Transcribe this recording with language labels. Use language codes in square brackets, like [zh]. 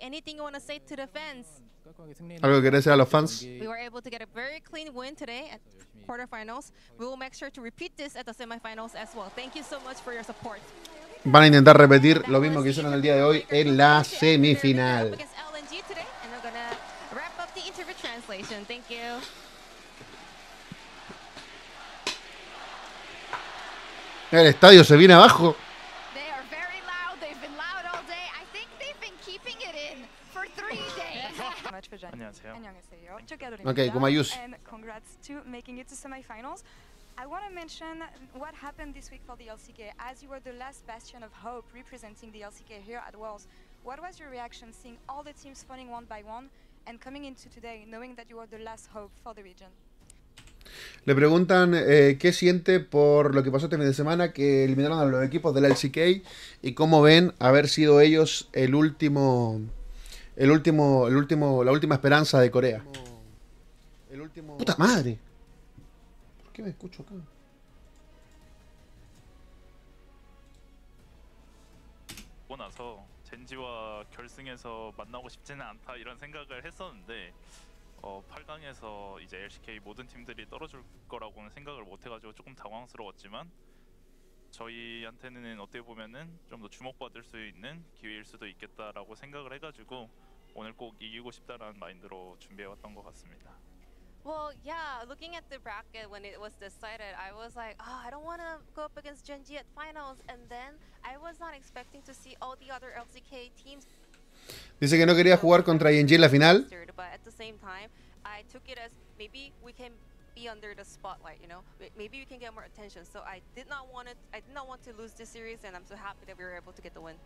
[en] Anything you want to say to the fans? [es] ¿Algo que decir a los fans? [en] We were able to get a very clean win today at quarterfinals. We will make sure to repeat this at the semifinals as well. Thank you so much for your support. [es] Van a intentar repetir lo mismo que hicieron el día de hoy en la semifinal. [en] Thank you. [es] El estadio se viene abajo. [en] They are very loud. They've been loud all day. I think they've been keeping it in for 3 days. Okay, Kumayushi. And congrats to making it to semifinals. I want to mention what happened this week for the LCK. As you were the last bastion of hope representing the LCK here at Worlds, what was your reaction seeing all the teams falling one by one and coming into today knowing that you were the last hope for the region? [es] Le preguntan qué siente por lo que pasó este fin de semana, que eliminaron a los equipos del LCK, y cómo ven haber sido ellos la última esperanza de Corea. ¡Puta madre! ¿Por qué me escucho acá? [ko] 몰라서 젠지와 결승에서 만나고 싶지는 않다 이런 생각을 했었는데 8강에서 이제 LCK 모든 팀들이 떨어질 거라고는 생각을 못해가지고 조금 당황스러웠지만 저희한테는 어떻게 보면은 좀 더 주목받을 수 있는 기회일 수도 있겠다라고 생각을 해가지고 오늘 꼭 이기고 싶다라는 마인드로 준비해왔던 것 같습니다. [en] Well, yeah, looking at the bracket when it was decided, I was like, oh, I don't want to go up against Gen.G at finals. And then I was not expecting to see all the other LCK teams. [es] Dice que no quería jugar contra Gen.G en la final. [en] But at the same time, I took it as maybe we can be under the spotlight, you know? Maybe we can get more attention. So I did not want it, I did not want to lose this series, and I'm so happy that we were able to get the win.